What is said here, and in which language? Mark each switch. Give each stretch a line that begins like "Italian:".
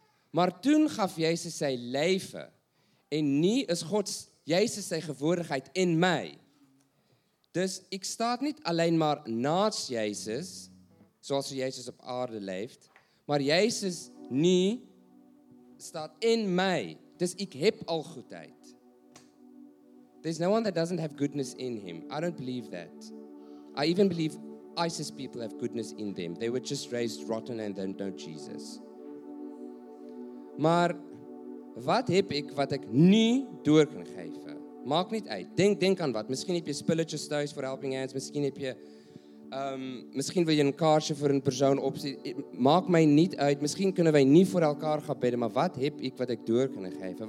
Dutch: Maar toen gaf Jezus zijn leven. En nu is Gods Jezus zijn geworigheid in mij. Dus ik sta niet alleen maar naast Jezus, zoals Jezus op aarde leeft, maar Jezus nu staat in mij. Dus ik heb al goedheid.
English: There's no one that doesn't have goodness in him. I don't believe that. I even believe ISIS people have goodness in them. They were just raised rotten and don't know Jesus.
Dutch: Maar wat heb ik wat ik nu door kan geven? Maak niet uit. Denk aan wat. Misschien heb je spulletjes thuis voor Helping Hands. Misschien heb je... misschien wil je een kaarsje voor een persoon opzetten. Maak mij niet uit. Misschien kunnen wij niet voor elkaar gaan bidden. Maar wat heb ik wat ik door kan geven?